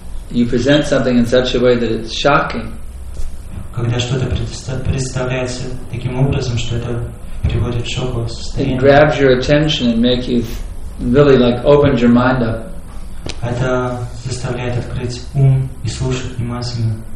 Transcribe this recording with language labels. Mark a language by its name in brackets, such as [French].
[English] You present something in such a way that it's shocking. [Russian] Когда что-то представляется таким образом, что это приводит в шоковое состояние. [English] It grabs your attention and makes you really like open your mind up. [Russian] Это заставляет открыть ум и слушать внимательно.